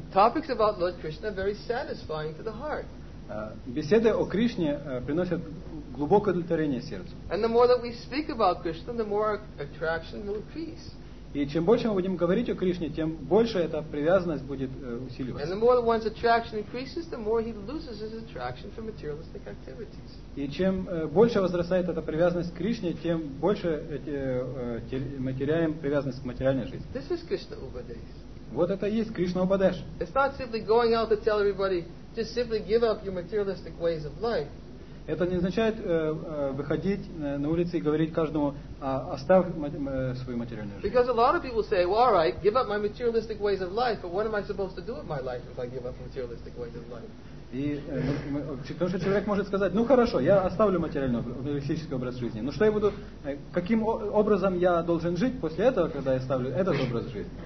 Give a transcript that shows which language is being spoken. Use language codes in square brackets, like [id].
[en] Topics about Lord Krishna are very satisfying to the heart. [ru] Беседы о Кришне приносят глубокое удовлетворение сердцу. [en] And the more that we speak about Krishna, the more attraction will increase. [ru] И чем больше мы будем говорить о Кришне, тем больше эта привязанность будет усиливаться. [en] And the more that one's attraction increases, the more he loses his attraction for materialistic activities. [ru] И чем больше возрастает эта привязанность к Кришне, тем больше мы теряем привязанность к материальной жизни. [en] This is Krishna Upadesh. [ru] Вот это и есть Кришна Упадеш. [en] It's not simply going out to tell everybody, just simply give up your materialistic ways of life. [ru] Это не означает выходить на улицы и говорить каждому, оставь свою материальную жизнь. [en] Because a lot of people say, well, all right, give up my materialistic ways of life, but what am I supposed to do with my life if I give up materialistic ways of life? [ru] Потому что человек может сказать, ну хорошо, я оставлю материалистический образ жизни, но что я буду, каким образом я должен жить после этого, когда я оставлю этот образ жизни?